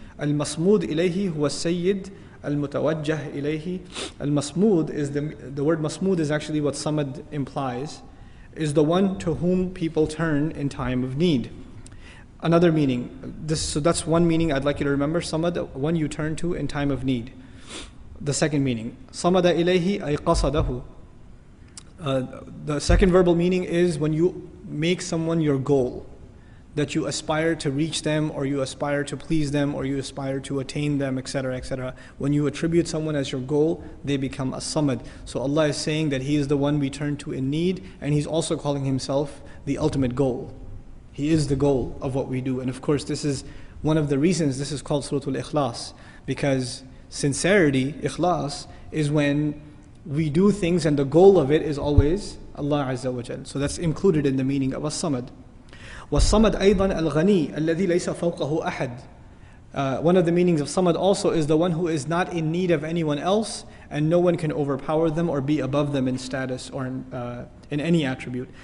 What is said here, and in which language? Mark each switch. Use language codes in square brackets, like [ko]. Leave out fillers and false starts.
[ar] المصمود إليه هو السيد. المتوجه إليه. [en] المصمود is the word مصمود is actually what صمد implies, is the one to whom people turn in time of need. Another meaning, so that's one meaning I'd like you to remember, صمد, one you turn to in time of need. The second meaning, [ar] صمد إليه أي قصده. [en] The second verbal meaning is when you make someone your goal, that you aspire to reach them, or you aspire to please them, or you aspire to attain them, etc., etc. When you attribute someone as your goal, they become a samad. So Allah is saying that He is the one we turn to in need, and He's also calling Himself the ultimate goal. He is the goal of what we do. And of course, this is one of the reasons this is called Suratul Ikhlas, because sincerity, ikhlas, is when we do things and the goal of it is always Allah Azza wa Jal. So that's included in the meaning of a samad. [ar] والصمد أيضا الغني الذي ليس فوقه أحد. [en] One of the meanings of صمد also is the one who is not in need of anyone else, and no one can overpower them or be above them in status or in any attribute.